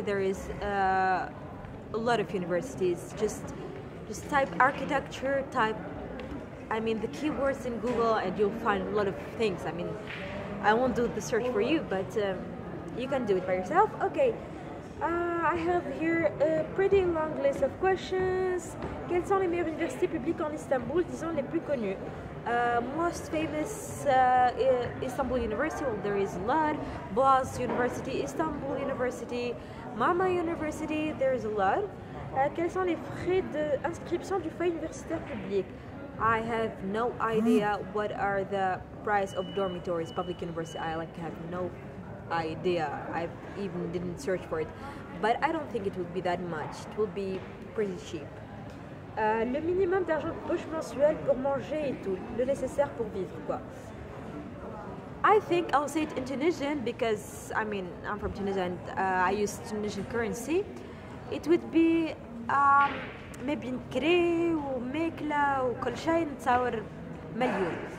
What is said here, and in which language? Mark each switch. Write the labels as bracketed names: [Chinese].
[English] There is a lot of universities. Just type architecture, the keywords in Google, and you'll find a lot of things. I mean, I won't do the search for you, but you can do it by yourself. Okay, I have here a pretty long list of questions. [French] Quelles sont les meilleures universités publiques en Istanbul, disons les plus connues? [English] Most famous Istanbul University, well, there is a lot. Boğaziçi University, Istanbul University, Marmara University, there is a lot. [French] Quels sont les frais d'inscription du fonds universitaire public? [English] I have no idea what are the price of dormitories, public university. I like have no idea. I even didn't search for it. But I don't think it would be that much. It would be pretty cheap. [French] Le minimum d'argent de poche mensuel pour manger et tout. Le nécessaire pour vivre, quoi. [English] I think I'll say it in Tunisian because, I mean, I'm from Tunisia and I use Tunisian currency. It would be maybe [Arabic] كري وماكلة وكل شيء نتصور مليون.